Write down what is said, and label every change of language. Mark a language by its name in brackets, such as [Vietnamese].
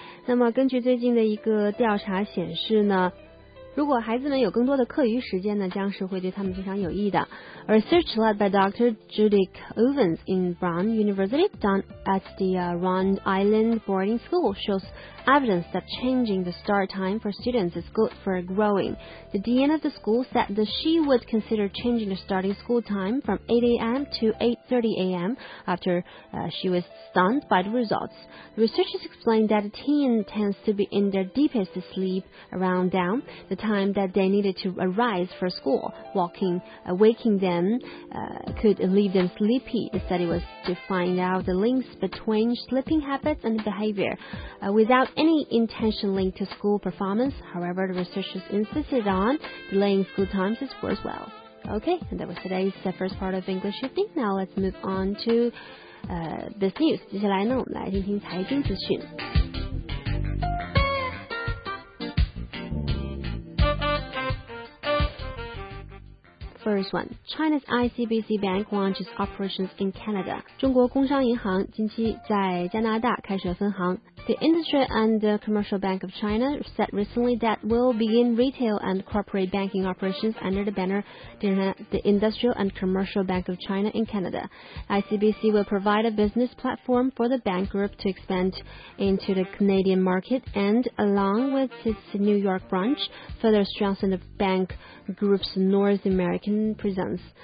[Chinese] 那么根据最近的一个调查显示呢，如果孩子们有更多的课余时间呢，将是会对他们非常有益的。 [English] A research led by Dr. Judith Owens in Brown University done at the Rhode Island Boarding School shows evidence that changing the start time for students is good for growing. The dean of the school said that she would consider changing the starting school time from 8 a.m. to 8:30 a.m. after she was stunned by the results. The researchers explained that a teen tends to be in their deepest sleep around dawn, the time that they needed to arise for school. Walking, waking them could leave them sleepy. The study was to find out the links between sleeping habits and behavior. Without any intention linked to school performance, however, the researchers insisted on delaying school times is worthwhile. Okay, and that was today's first part of English Evening. Now let's move on to this news. [Chinese] 接下来呢，我们来听听财经资讯。 [English] First one, China's ICBC Bank launches operations in Canada. [Chinese] 中国工商银行近期在加拿大开设分行。 [English] The Industry and Commercial Bank of China said recently that will begin retail and corporate banking operations under the banner the Industrial and Commercial Bank of China in Canada. ICBC will provide a business platform for the bank group to expand into the Canadian market and, along with its New York branch, further strengthen the bank group's North American presence.